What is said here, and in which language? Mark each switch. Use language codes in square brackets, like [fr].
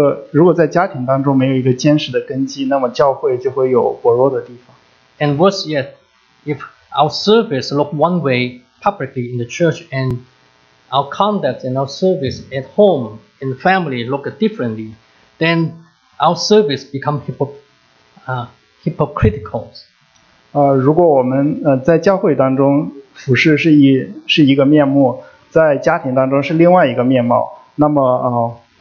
[zh] 如果在家庭当中没有一个坚实的根基，那么教会就会有薄弱的地方。 [en] And worse yet, if our service look one way publicly in the church and our conduct and our service at home in the family look differently, then our service become hypocritical. [zh] 如果我们在教会当中服事是一个面目，在家庭当中是另外一个面貌，那么